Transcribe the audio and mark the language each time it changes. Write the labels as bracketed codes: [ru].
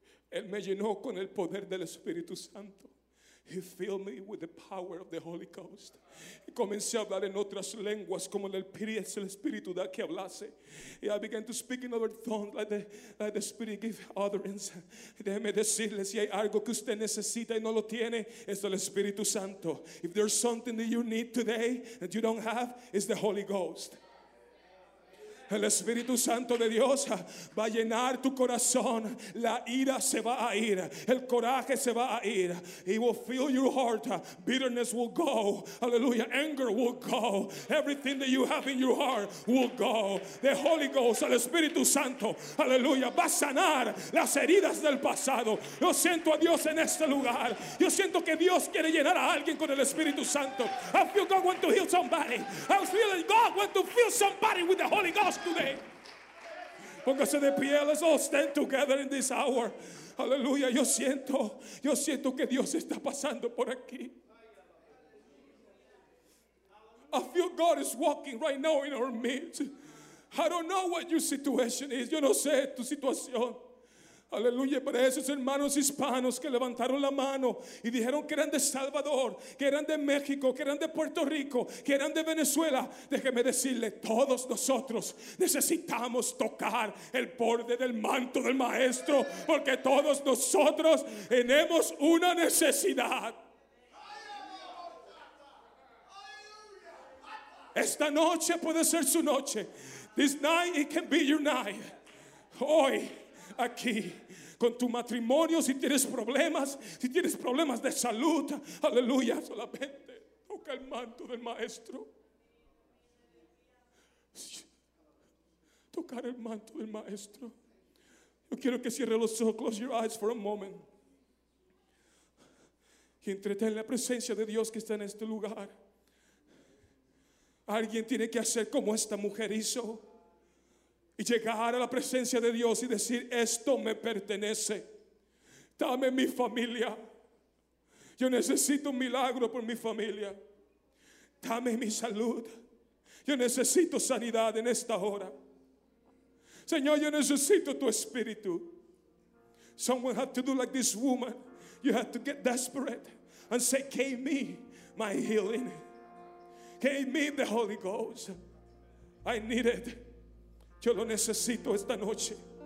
[es] Él me llenó con el poder del Espíritu Santo. [en] He filled me with the power of the Holy Ghost. [es] Y comencé a hablar en otras lenguas como el Espíritu da que hablase. [en] Y I began to speak in other tongues like the Spirit gave utterance. [es] Déjeme decirle, si hay algo que usted necesita y no lo tiene, es el Espíritu Santo. [en] If there's something that you need today that you don't have, it's the Holy Ghost. [es] El Espíritu Santo de Dios va a llenar tu corazón. La ira se va a ir. El coraje se va a ir. [en] He will fill your heart. Bitterness will go. Hallelujah. Anger will go. Everything that you have in your heart will go. The Holy Ghost, [es] el Espíritu Santo, hallelujah, va a sanar las heridas del pasado. Yo siento a Dios en este lugar. Yo siento que Dios quiere llenar a alguien con el Espíritu Santo. [en] I feel God want to heal somebody. I feel God want to fill somebody with the Holy Ghost today. [es] Póngase de pie. [en] Let's all stand together in this hour. Hallelujah. [es] Yo siento que Dios está pasando por aquí. [en] I feel God is walking right now in our midst. I don't know what your situation is. [es] Yo no sé tu situación. Aleluya, para esos hermanos hispanos que levantaron la mano y dijeron que eran de Salvador, que eran de México, que eran de Puerto Rico, que eran de Venezuela. Déjeme decirle, todos nosotros necesitamos tocar el borde del manto del Maestro, porque todos nosotros tenemos una necesidad. Esta noche puede ser su noche. [en] This night it can be your night. [es] Hoy, aquí, con tu matrimonio, si tienes problemas de salud, aleluya, solamente toca el manto del Maestro. Tocar el manto del Maestro. Yo quiero que cierre los ojos, [en] close your eyes for a moment. [es] Y entretén la presencia de Dios que está en este lugar. Alguien tiene que hacer como esta mujer hizo y llegar a la presencia de Dios y decir: esto me pertenece, dame mi familia. Yo necesito un milagro por mi familia. Dame mi salud. Yo necesito sanidad en esta hora, Señor. Yo necesito tu espíritu. [en] Someone had to do like this woman. You had to get desperate and say, give me my healing. Gave me the Holy Ghost. I need it. [es] Yo lo necesito esta noche.